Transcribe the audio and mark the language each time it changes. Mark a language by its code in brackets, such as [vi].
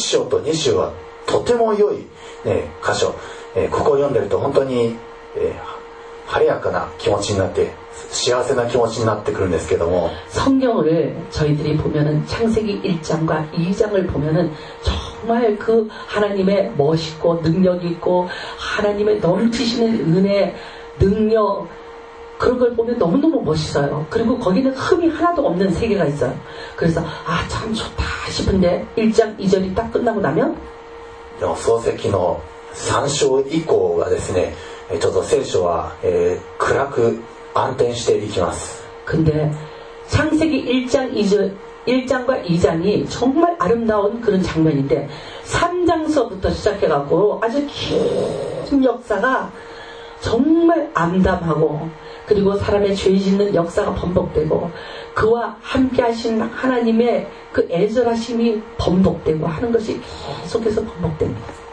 [ja] 聖書をざっと見ますとですね、創世記1章と2章はとても良い箇所。ここを読んでると本当に晴れやかな気持ちになって幸せな気持ちになってくるんですけども。 [ko] 성경을 저희들이 보면은 창세기 1장과 2장을 보면은 정말 그 하나님의 멋있고 능력 있고 하나님의 넘치시는 은혜, 능력 그런 걸 보면 너무너무 멋있어요. 그리고 거기는 흠이 하나도 없는 세계가 있어요. 그래서 아, 참 좋다 싶은데 1장 2절이 딱 끝나고 나면 [ja] 創世記の 3章以降はですね、ちょっと聖書は暗く暗転していきます。 [ko] 근데 창세기 1장 2절, 1장과 2장이 정말 아름다운 그런 장면인데, 3장서부터 시작해 갖고 아주 긴 역사가 정말 암담하고, 그리고 사람의 죄 짓는 역사가 반복되고, 그와 함께 하신 하나님의 그 애절하심이 반복되고 하는 것이 계속해서 반복됩니다.